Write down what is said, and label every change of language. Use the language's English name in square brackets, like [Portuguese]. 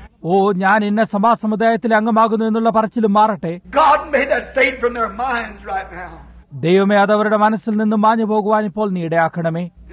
[Malayalam] ഓ, ഞാൻ ഇന്ന സഭാ സമുദായത്തിൽ അംഗമാകുന്നു എന്നുള്ള പറച്ചിലും മാറട്ടെ. [English] God may that fade from their minds right now. [Malayalam] ദൈവമേ, അത് അവരുടെ മനസ്സിൽ നിന്ന് മാഞ്ഞു പോകുവാൻ ഇപ്പോൾ നീ ഇടയാക്കണമേ.